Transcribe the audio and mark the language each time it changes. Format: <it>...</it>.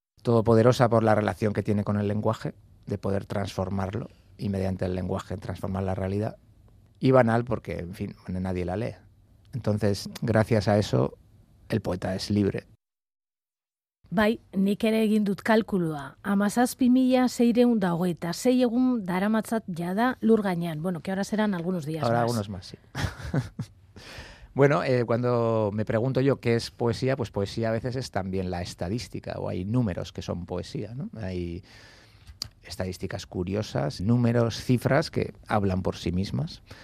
<es>Todopoderosa por la relación que tiene con el lenguaje, de poder transformarlo y mediante el lenguaje transformar la realidad. Y banal porque, en fin, nadie la lee. Entonces, gracias a eso, el poeta es libre.</es> <eu>Bai, nik ere egin dut kalkulua. 17.626 egun daramatzat jada lur gainean.</eu> <es>Bueno, que ahora serán algunos días más. Ahora algunos más, sí. Bueno, cuando me pregunto yo qué es poesía, pues poesía a veces es también la estadística, o hay números que son poesía, ¿no? Hay estadísticas curiosas, números, cifras que hablan por sí mismas.</es>